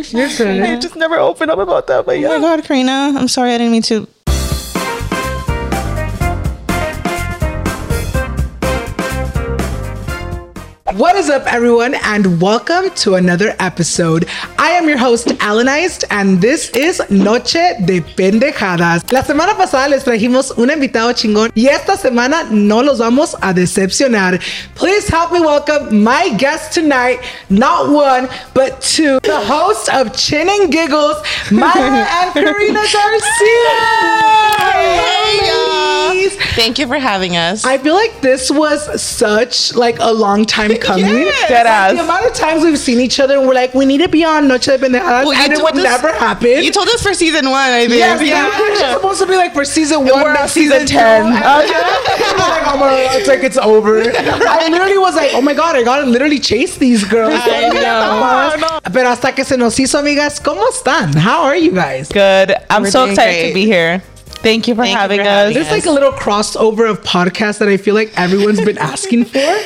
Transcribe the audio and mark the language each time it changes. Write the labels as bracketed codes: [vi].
[en] I just never opened up about that. But oh, yeah. My God, Karina. I'm sorry. I didn't mean to. What is up, everyone, and welcome to another episode. I am your host, Alanized, and this is Noche de Pendejadas. [es] La semana pasada les trajimos un invitado chingón, y esta semana no los vamos a decepcionar. [en] Please help me welcome my guest tonight, not one, but two, the host of Chin and Giggles, Maya and Karina Garcia. Hey, y'all. Thank you for having us. I feel like this was such like a long time coming. Yes. Deadass. Like, the amount of times we've seen each other and we're like, we need to be on Noche de Pendejadas, well, and it would never happen. You told us for season one, I think. Yes, yeah. She's supposed to be like for season one. We're on season 10. It's like it's over. I literally was like, oh my God, I gotta literally chase these girls. I know. [es] Pero hasta que se nos hizo, amigas, ¿cómo están? [en] How are you guys? Good. I'm so excited to be here. Thank you for having us. There's like a little crossover of podcasts that I feel like everyone's been asking for.